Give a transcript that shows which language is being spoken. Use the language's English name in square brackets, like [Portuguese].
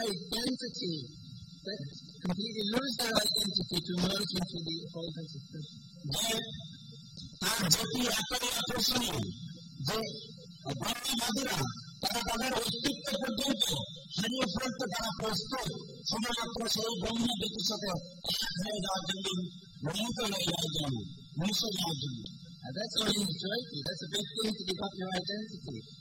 [English] completely lose their identity to merge into the whole sense of Krishna. [Bangla] তার জ্যোতি এতই আকর্ষণীয় যে ব্রহ্মবাদীরা তারা তাদের অস্তিত্ব পর্যন্ত হারিয়ে ফেলতে তারা প্রস্তুত শুধুমাত্র সেই ব্রহ্ম জ্যোতির সাথে এক হয়ে যাওয়ার জন্য ব্রহ্মকে হয়ে যাওয়ার জন্য মিশে যাওয়ার জন্য. [English] And that's what you enjoy. That's a big thing to give up your identity.